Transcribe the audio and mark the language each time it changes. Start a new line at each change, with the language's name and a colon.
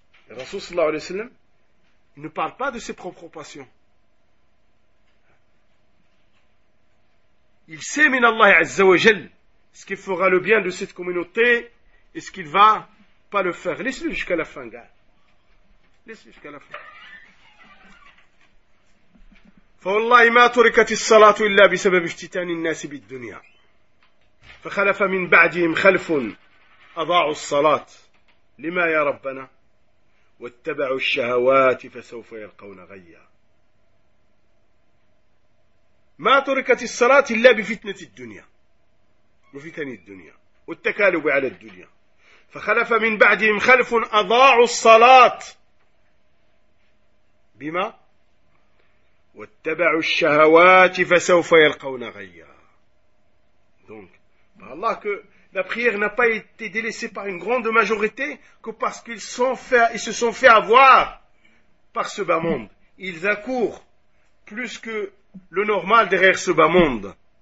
French: Rasulullah ne parle pas de ses propres passions. Il sait, min Allah Azza wa Jal, ce qui fera le bien de cette communauté et ce qu'il va pas le faire. Laisse-le jusqu'à la fin, gars. Laisse-le jusqu'à la fin.
Arabic: فوالله ما تركت الصلاة إلا بسبب افتتان الناس بالدنيا فخلف من بعدهم خلف أضاعوا الصلاة لما يا ربنا واتبعوا الشهوات فسوف يلقون غيا ما تركت الصلاة إلا بفتنة الدنيا وفتن الدنيا والتكالب على الدنيا فخلف من بعدهم خلف أضاعوا الصلاة بما واتبعوا الشهوات فسوف يلقون غيا.
French: Donc, par Allah, que la prière n'a pas été délaissée par une grande majorité que parce qu'ils se sont fait avoir par ce bas monde. Ils accourent plus que le normal derrière ce bas monde.